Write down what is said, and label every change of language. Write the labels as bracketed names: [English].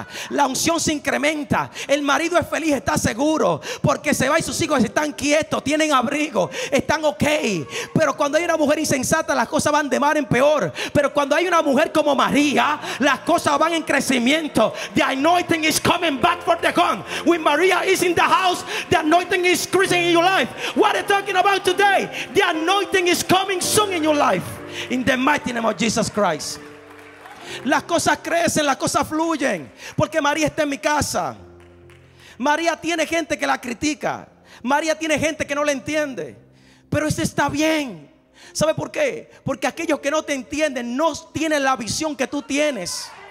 [Spanish] La unción se incrementa. El marido es feliz, está seguro, porque se va y sus hijos están quietos, tienen abrigo, están ok. Pero cuando hay una mujer insensata, las cosas van de mal en peor. Pero cuando hay una mujer como María, las cosas van en crecimiento. [English] The anointing is coming back for the home. When Maria is in the house, the anointing is increasing in your life. What are you talking about today? The anointing is coming soon in your life. In the mighty name of Jesus Christ. [Spanish] Las cosas crecen, las cosas fluyen, porque María está en mi casa. María tiene gente que la critica, María tiene gente que no la entiende, pero eso está bien. ¿Sabe por qué? Porque aquellos que no te entienden no tienen la visión que tú tienes.